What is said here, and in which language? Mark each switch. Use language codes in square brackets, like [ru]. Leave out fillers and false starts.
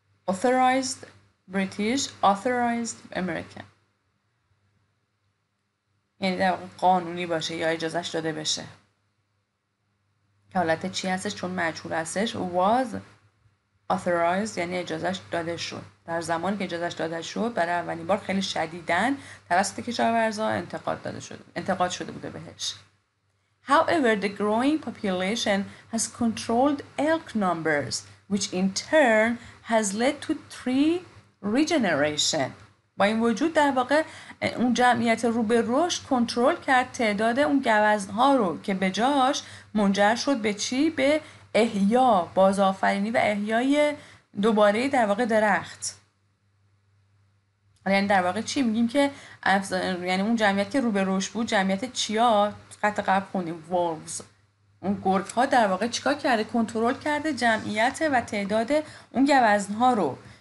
[en] authorized British, authorized American [fa] یعنی در واقع قانونی باشه یا اجازهش داده بشه. حالت چی هستش؟ چون مجهول هستش. [en] was authorized [fa] یعنی اجازهش داده شد. در زمانی که اجازهش داده شد برای اولین بار خیلی شدیداً توسط کشاورزا انتقاد شده بوده بهش. [en] However, the growing population has controlled elk numbers, which in turn has led to tree regeneration. [fa] با این وجود در واقع اون جمعیت رو به رشد کنترل کرد تعداد اون گوزن‌ها رو که به جاش منجر شد به چی؟ به احیا، بازآفرینی و احیای دوباره در واقع درخت. یعنی در واقع چی میگیم که یعنی اون جمعیت که رو به رشد بود، جمعیت چیا؟ قطع قبل خوندیم وولفز، اون گرگ‌ها در واقع چیکار کرده؟ کنترل کرده جمعیت و تعداد اون گوزن‌ها رو.